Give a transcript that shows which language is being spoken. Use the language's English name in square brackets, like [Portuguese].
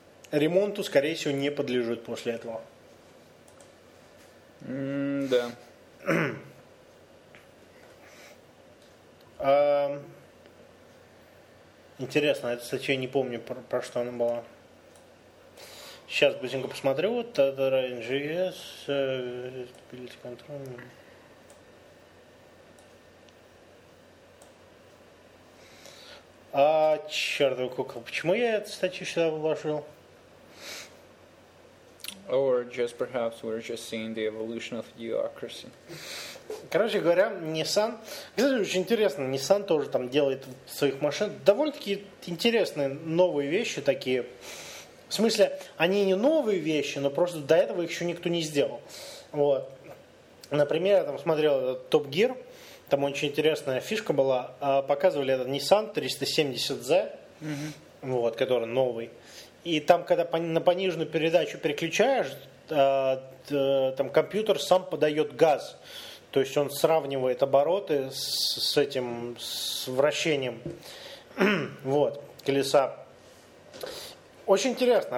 [Russian] Ремонту, скорее всего, не подлежит после этого. Да. Интересно, эта статья, не помню, про что она была. Сейчас быстренько посмотрю. Вот это RNGS, Stability Control. А, чертова кукла, почему я эту статью сюда вложил? [English] Or just perhaps we're just seeing the evolution of bureaucracy. [Russian] Короче говоря, Nissan... Кстати, очень интересно, Nissan тоже там делает своих машин. Довольно-таки интересные новые вещи такие. В смысле, они не новые вещи, но просто до этого их еще никто не сделал. Вот. Например, я там смотрел Top Gear. Там очень интересная фишка была. Показывали этот Nissan 370Z, mm-hmm. вот, который новый. И там, когда на пониженную передачу переключаешь, там компьютер сам подает газ. То есть он сравнивает обороты с этим, с вращением вот, колеса. Очень интересно.